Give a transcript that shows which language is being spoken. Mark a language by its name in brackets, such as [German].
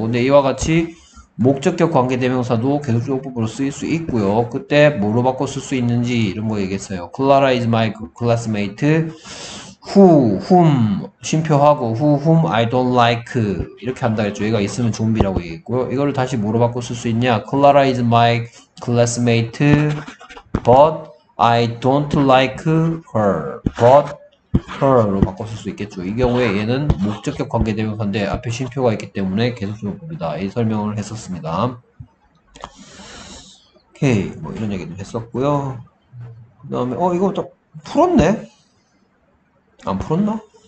[Korean] 근데 이와 같이 목적격 관계대명사도 계속적 용법으로 쓰일 수 있고요. 그때 뭐로 바꿔 쓸수 있는지 이런 거 얘기했어요. [English] Clara is my classmate. Who, whom, [Korean] 쉼표하고 [English] who, whom I don't like [Korean] 이렇게 한다 했죠. 얘가 있으면 좀비라고 얘기했고요. 이거를 다시 뭐로 바꿔 쓸수 있냐? [English] Clara is my classmate, but I don't like her. [Korean] But her로 바꿔 쓸수 있겠죠. 이 경우에 얘는 목적격 관계대명사인데 앞에 쉼표가 있기 때문에 계속적입니다. 이 설명을 했었습니다. 오케이, 뭐 이런 얘기도 했었고요. 그다음에 이거 좀 풀었네. 안 풀었나?